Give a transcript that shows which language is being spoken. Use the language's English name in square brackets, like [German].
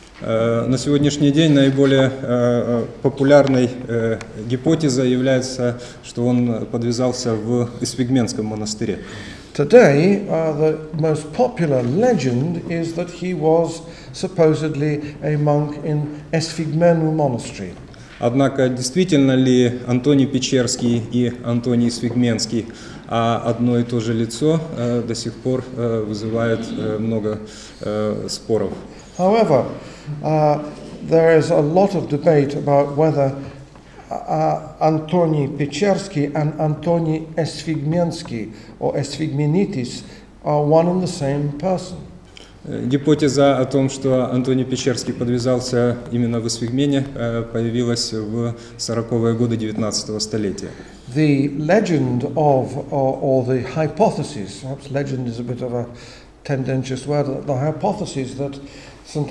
[Russian] На сегодняшний день наиболее популярной гипотезой является, что он подвязался в Эсфигменском монастыре. [English] Today, the most popular legend is that he was supposedly a monk in Esfigmenu monastery. [Russian] Однако, действительно ли Антоний Печерский и Антоний Эсфигменский а одно и то же лицо до сих пор вызывает много споров? [English] However, there is a lot of debate about whether Antoni Pechersky and Antoni Esfigmenski or Esfigmenitis are one and the same person. [Russian] Гипотеза о том, что Антоний Печерский подвязался именно в Эсфигмене, появилась в 40-е годы 19-го столетия. [English] The legend of, or the hypothesis, perhaps legend is a bit of a tendentious word, the hypothesis that St.